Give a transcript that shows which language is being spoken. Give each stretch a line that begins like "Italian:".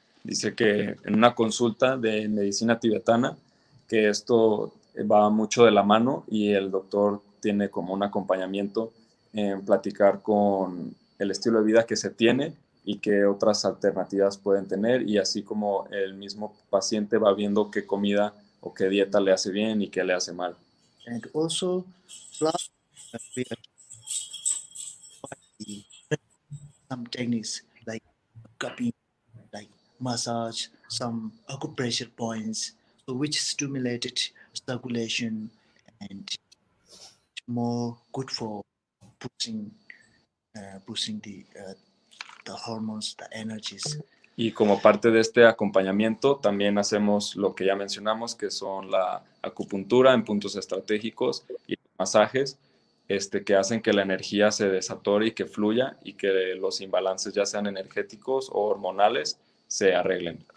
Spanish: Dice que en una consulta de medicina tibetana, que esto va mucho de la mano, y el doctor tiene como un acompañamiento en platicar con el estilo de vida que se tiene y qué otras alternativas pueden tener, y así como el mismo paciente va viendo qué comida o qué dieta le hace bien y qué le hace mal.
English: And also, some techniques like cupping, like massage, some acupressure points, so which stimulated circulation and more good for pushing boosting the hormones, the energies.
Spanish: Y como parte de este acompañamiento, también hacemos lo que ya mencionamos, que son la acupuntura en puntos estratégicos y masajes, que hacen que la energía se desatore y que fluya, y que los imbalances, ya sean energéticos o hormonales, se arreglen.